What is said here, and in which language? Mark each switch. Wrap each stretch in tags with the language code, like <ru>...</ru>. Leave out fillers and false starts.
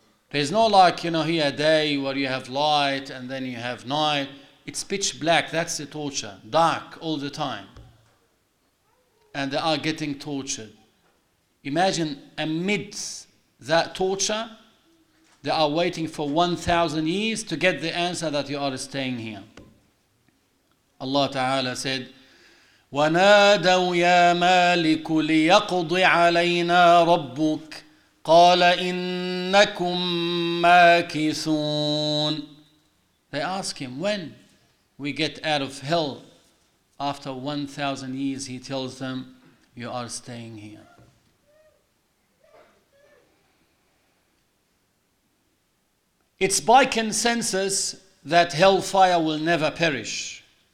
<en>There's no like, you know, here a day where you have light and then you have night. It's pitch black. That's the torture. Dark all the time. And they are getting tortured. Imagine amidst that torture, they are waiting for 1,000 years to get the answer that you are staying here. Allah Ta'ala said,</en> <ar>وَنَادَوْ يَا مَالِكُ لِيَقْضِ عَلَيْنَا رَبُّكُ قَالَ إِنَّكُمْ مَاكِثُونَ.</ar> <en>They ask him, when we get out of hell after 1,000 years, he tells them, you are staying here. It's by consensus that hellfire will never perish.</en>